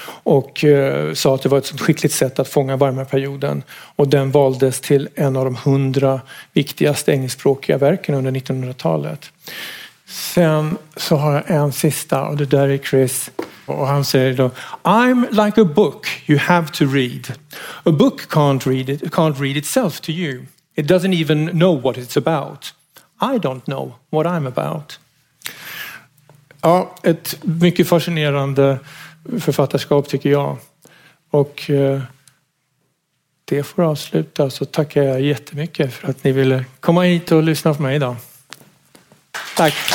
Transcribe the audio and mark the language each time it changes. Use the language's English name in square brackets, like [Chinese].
[Swedish] Och sa att det var ett skickligt sätt att fånga Weimarperioden, och den valdes till en av de 100 viktigaste engelskspråkiga verken under 1900-talet. Sen så har jag en sista, och det där är Chris, och han säger då: [English] I'm like a book you have to read. A book can't read itself to you. It doesn't even know what it's about. I don't know what I'm about. [Swedish] Ja, ett mycket fascinerande författarskap tycker jag. Och det får avsluta, så tackar jag jättemycket för att ni ville komma hit och lyssna på mig idag. Tack!